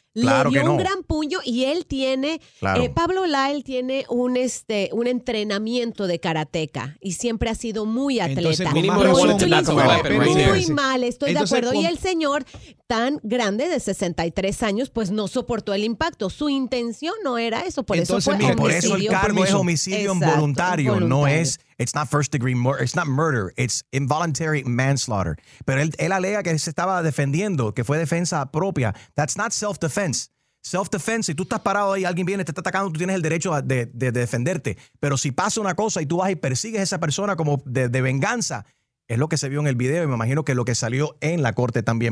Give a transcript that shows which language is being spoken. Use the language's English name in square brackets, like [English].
[Spanish] Claro, le dio un gran puño y él tiene, Pablo Lyle tiene un entrenamiento de karateca y siempre ha sido muy atleta. Estoy de acuerdo. Y el señor tan grande de 63 años, pues no soportó el impacto. Su intención no era eso, por eso el karma es homicidio involuntario. No es, [English] it's not first degree murder, it's not murder, it's involuntary manslaughter. [Spanish] Pero él alega que se estaba defendiendo, que fue defensa propia. [English] That's not self-defense. Self-defense, [Spanish] si tú estás parado ahí, alguien viene, te está atacando, tú tienes el derecho de defenderte. Pero si pasa una cosa y tú vas y persigues a esa persona como de venganza, Es lo que se vio en el video y me imagino que lo que salió en la corte también.